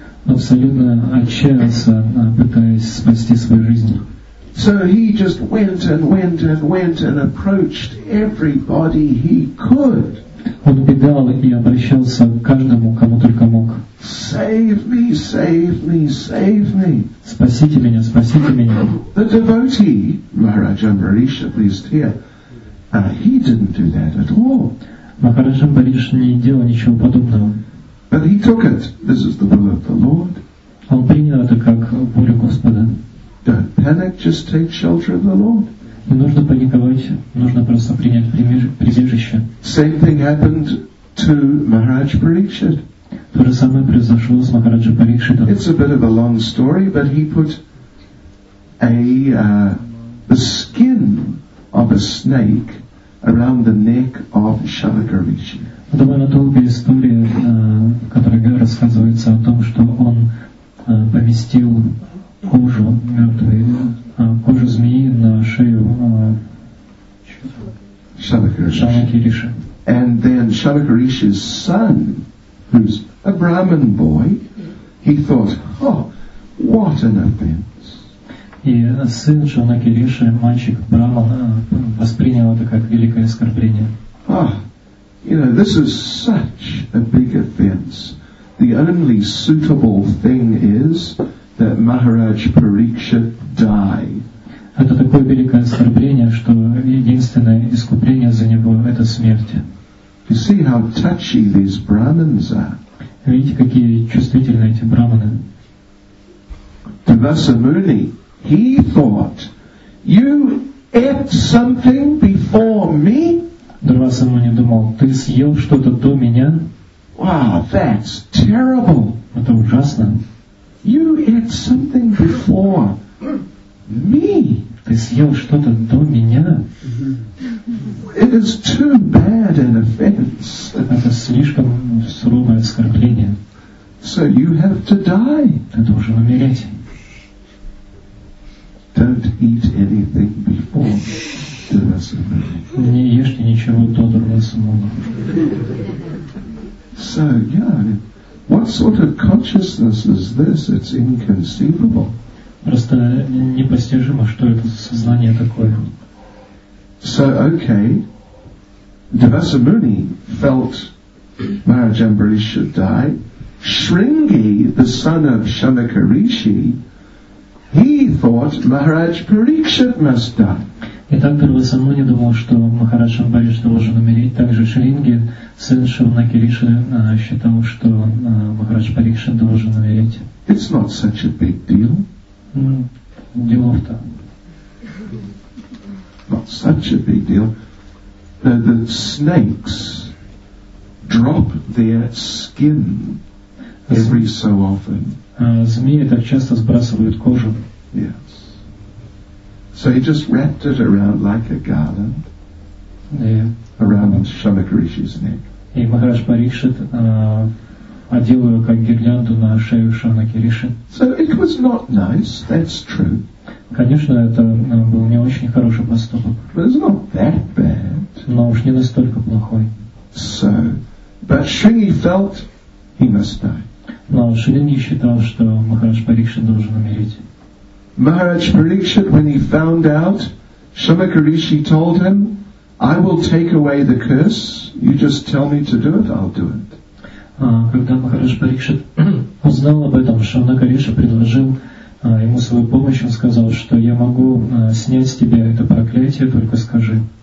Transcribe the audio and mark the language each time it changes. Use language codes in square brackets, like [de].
[ru] Абсолютно отчаялся, пытаясь спасти свою жизнь. [en] So he just went and went and went and approached everybody he could. [ru] Он убегал и обращался к каждому, кому только мог. [en] Save me, save me, save me. [ru] Спасите меня, спасите меня. [en] The devotee, Maharaja Amrish, at least here, he didn't do that at all. [ru] Махараджа Амриш не делал ничего подобного. [en] But he took it. This is the will of the Lord. [ru] Он принял это как волю Господа. [en] Don't panic, just take shelter of the Lord. [ru] Не нужно паниковать, нужно просто принять прибежище. [en] Same thing happened to Maharaj Parikshit. [ru] То же самое произошло с Махараджа Парикшитом. [en] It's a bit of a long story, but he put the skin of a snake around the neck of Shavaka Rishi. [ru] Довольно долгая история, которая рассказывается о том, что он поместил кожу мертвой, кожу змеи на шею Шалаки Риши. [en] And then Шалаки Риши's son, who's a Brahmin boy, he thought, oh, what an offense. [ru] И сын Шалаки Риши, мальчик Брахман, воспринял это как великое оскорбление. [en] Oh, you know, this is such a big offense. The only suitable thing is that Maharaj Parikshit die. [ru] Это такое великое оскорбление, что единственное искупление за него — это смерть. [en] You see how touchy these Brahmins are. [ru] Видите, какие чувствительные эти брахманы. [en] Devasamuni, he thought, you ate something before me? [ru] Devasamuni думал, ты съел что-то до меня? [en] Wow, that's terrible. [ru] Это ужасно. [en] You ate something before me. [ru] Ты съел что-то до меня? [en] It is too bad an offense. [ru] Это слишком суровое оскорбление. [en] So you have to die. [ru] Ты должен умереть. [en] Don't eat anything before Devasamuni. [ru] Не ешьте ничего до Devasamuni. [en] So, yeah, what sort of consciousness is this? It's inconceivable. [ru] Просто непостижимо, что это сознание такое. [en] So, okay, Devasamuni felt Maharaj Amrish should die. Shringi, the son of Shanaka Rishi, he thought Maharaj Parikshit must die. [ru] Итак, Дурвасамуни думал, что Махарадж Амбариш должен умереть. Также Шринги, сын Шивнаки Риши, считал, что Махарадж Парикша должен умереть. [en] It's not such a big deal. [ru] Делов-то. [en] Not such a big deal. The snakes drop their skin every so often. [ru] Змеи так часто сбрасывают кожу. [en] Yes. So he just wrapped it around like a garland. Yeah. Around Shamak Rishi's neck. [ru] И Махарадж Парикшит одел ее как гирлянду на шею Шанаки Риши. [en] So it was not nice, that's true. [ru] Конечно, это был не очень хороший поступок. [en] But it's not that bad. [ru] Но уж не настолько плохой. [en] So, but Шринги felt he must die. [ru] Но Шринги считал, что Махарадж Парикшит должен умереть. [en] Махарадж Парикшит, when he found out, Шанаки Риши told him, I will take away the curse. You just tell me to do it, I'll do it. [ru] Когда Махарадж Парикшит узнал об этом, Шанака Риши предложил ему свою помощь, он сказал, что я могу снять с тебя это проклятие, только скажи.